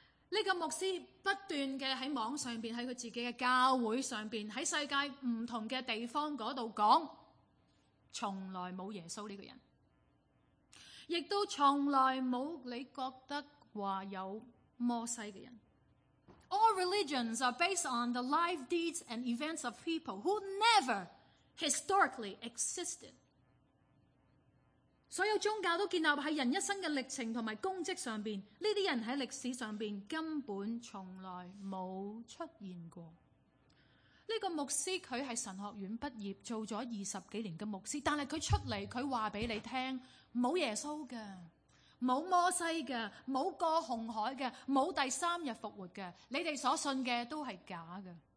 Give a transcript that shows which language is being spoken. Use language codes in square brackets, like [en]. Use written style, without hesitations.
[zh] 这个牧师不断的在网上面，在他自己的教会上面，在世界不同的地方那里讲，从来没有耶稣这个人。亦都从来没有你觉得话有摩西的人。 [en] All religions are based on the life, deeds, and events of people who never historically existed. [zh] 所有宗教都建立在人一生的历程和功绩上面，这些人在历史上面根本从来没有出现过。这个牧师他是神学院毕业做了二十几年的牧师，但是他出来他告诉你，没有耶稣的，没有摩西的，没有过红海的，没有第三日复活的，你们所信的都是假的。